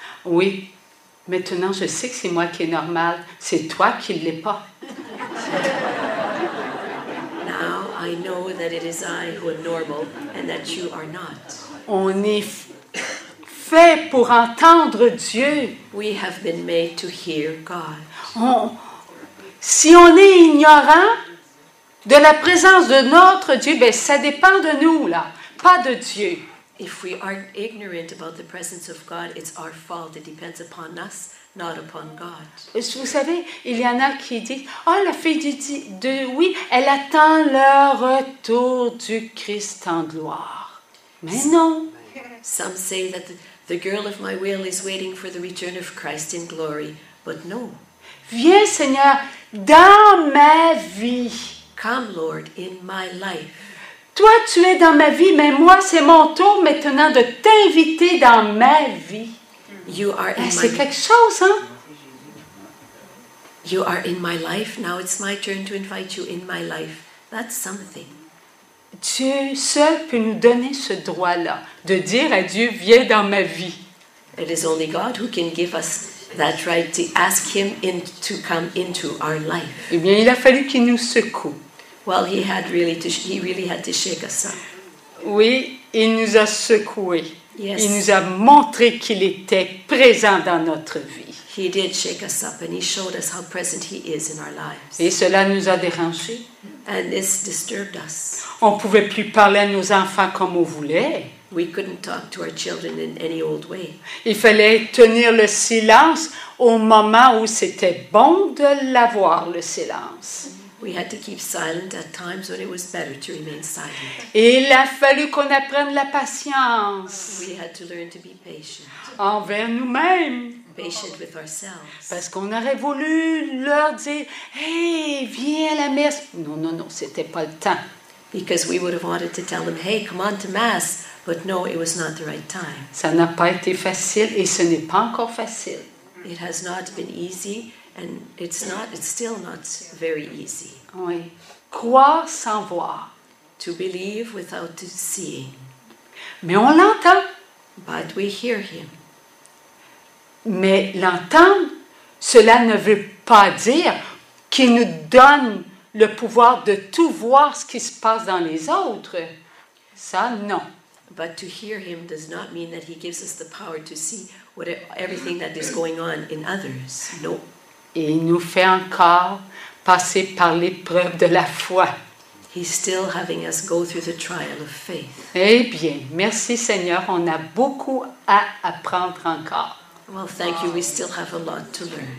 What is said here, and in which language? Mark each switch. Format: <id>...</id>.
<fr>Oui, maintenant je sais que c'est moi qui est normal, c'est toi qui ne l'es pas.</fr> <en>Now I know that it is I who am normal and that you are not.</en> <fr>On est fait pour entendre Dieu.</fr> <en>We have been made to hear God.</en> <fr>Si on est ignorant de la présence de notre Dieu, ben ça dépend de nous là. Pas de Dieu.</fr> <en>If we are ignorant about the presence of God, it's our fault. It depends upon us, not upon God.</en> <fr>Vous savez, il y en a qui disent, « Oh, la fille de oui, elle attend le retour du Christ en gloire. » Mais non.</fr> <en>Some say that the girl of my will is waiting for the return of Christ in glory, but no.</en> <fr>Viens, Seigneur, dans ma vie.</fr> <en>Come, Lord, in my life.</en> <fr>Toi, tu es dans ma vie, mais moi, c'est mon tour maintenant de t'inviter dans ma vie.</fr> <en>You are in</en> <fr>c'est</fr> <en>my...</en> <fr>quelque chose, hein?</fr> <en>You are in my life. Now it's my turn to invite you in my life. That's something.</en> <fr>Dieu seul peut nous donner ce droit-là, de dire à Dieu, viens dans ma vie.</fr> <en>It is only God who can give us that right to ask him in, to come into our life.</en> <fr>Eh bien, il a fallu qu'il nous secoue.</fr> <en>Well, he really had to shake us up.</en> <fr>Oui, il nous a secoué.</fr> <en>Yes.</en> <fr>Il nous a montré qu'il était présent dans notre vie.</fr> <en>He did shake us up, and he showed us how present he is in our lives.</en> <fr>Et cela nous a dérangé.</fr> <en>And this disturbed us.</en> <fr>On pouvait plus parler à nos enfants comme on voulait.</fr> <en>We couldn't talk to our children in any old way.</en> <fr>Il fallait tenir le silence au moment où c'était bon de l'avoir, le silence.</fr> <en>We had to keep silent at times when it was better to remain silent.</en> <fr>Et il a fallu qu'on apprenne la patience.</fr> <en>We had to learn to be patient.</en> <fr>Envers nous-mêmes.</fr> <en>Patient with ourselves.</en> <fr>Parce qu'on aurait voulu leur dire, hey, viens à la messe. Non, c'était pas le temps.</fr> <en>Because we would have wanted to tell them, hey, come on to mass. But no, it was not the right time.</en> <fr>Ça n'a pas été facile et ce n'est pas encore facile.</fr> <en>It has not been easy. And it's still not very easy.</en> <fr>Oui. Croire sans voir.</fr> <en>To believe without seeing.</en> <fr>Mais on l'entend.</fr> <en>But we hear him.</en> <fr>Mais l'entendre, cela ne veut pas dire qu'il nous donne le pouvoir de tout voir ce qui se passe dans les autres. Ça, non.</fr> <en>But to hear him does not mean that he gives us the power to see everything that is going on in others. No.</en> <fr>Et il nous fait encore passer par l'épreuve de la foi.</fr> <en>He's still having us go through the trial of faith.</en> <fr>Eh bien, merci Seigneur, on a beaucoup à apprendre encore.</fr> <en>Well, thank you, we still have a lot to learn.</en>